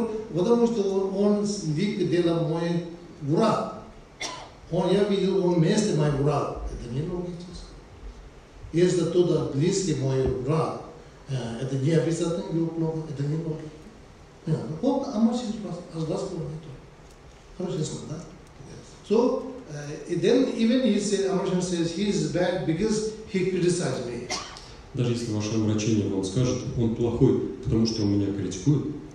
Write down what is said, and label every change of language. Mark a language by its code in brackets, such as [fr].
[ru] Потому что он вид делал мой враг. Я видел, он вместе мой враг. Это не логично. Если тот близкий мой враг, это не обязательно его плохо, это не логично. Вот, а мы сейчас вас воспринимаем. Хорошо, ясно, да? [en] So, then even he said, Amarchini says, he is bad because he criticized me. [ru] Даже если ваше омрачение вам скажет, он плохой, потому что он меня критикует.